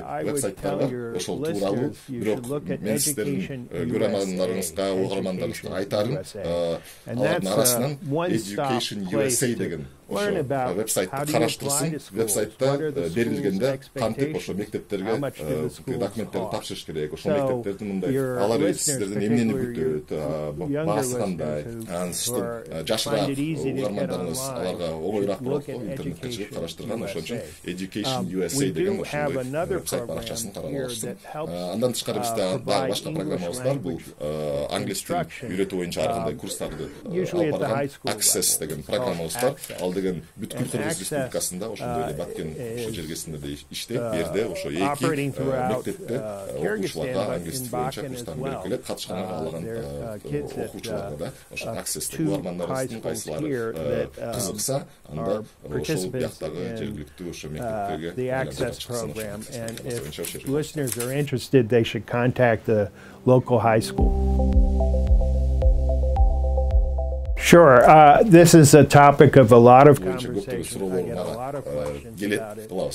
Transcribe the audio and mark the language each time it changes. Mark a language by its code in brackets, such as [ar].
[en] We really agree with the Kyrgyz government. [ky] Бирок мен сиздердин көрөрмандарыңызга, угармандарыңызга айтарым, алардын арасынан Education USA деген вебсайтты караштырсын. Вебсайтта берилгенде кантип ошо мектептерге документтерди тапшырыш керек, ошол мектептердин мындай алар сиздерден эмнени күтөт, баасы кандай, анан сиздер жашыраак угармандарыңыз аларга оңойраак болот го интернетке чыгып караштырган. Ошон үчүн Education USA деген ошондой вебсайт баракчасын тарап алышсын. Андан тышкары бизде дагы башка программабыз бар, бул англис тилин үйрөтүү боюнча ар кандай курстарды алып барган Access деген программабыз бар. Ал деген бүткүл Кыргыз Республикасында ошондой эле Баткен ошо жергесинде да иштейт, жерде ошо эки мектепте окуучуларга англис тили боюнча курстарды берип келет. Катышканга каалаган окуучуларга да ошо Access деген угармандарыбыздын кайсылары кызыкса, анда ошол бияктагы жергиликтүү ошо мектептерге [en] interested, they should contact the local high school. Sure. This is a topic of a lot of conversations. I get a lot of questions about it.